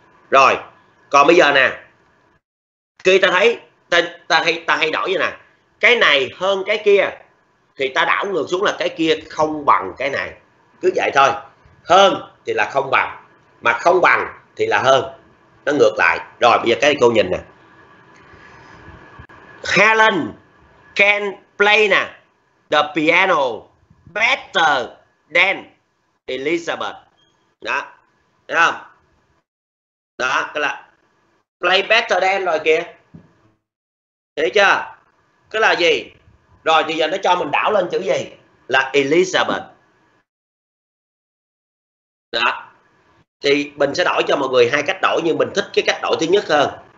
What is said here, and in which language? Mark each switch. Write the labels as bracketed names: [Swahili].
[Vietnamese] Rồi, còn bây giờ nè. Khi ta thấy, ta hay đổi vậy nè. Cái này hơn cái kia, thì ta đảo ngược xuống là cái kia không bằng cái này. Cứ vậy thôi. Hơn thì là không bằng. Mà không bằng thì là hơn. Nó ngược lại. Rồi, bây giờ cái cô nhìn nè. [English] Helen can play nè the piano better than Elizabeth. [Vietnamese] Đó, thấy không? Đó, tức là [English] play better than [Vietnamese] rồi kìa. Thấy chưa? Cái là gì? Rồi thì giờ nó cho mình đảo lên chữ gì? Là Elizabeth. Đó. Thì mình sẽ đổi cho mọi người hai cách đổi, nhưng mình thích cái cách đổi thứ nhất hơn.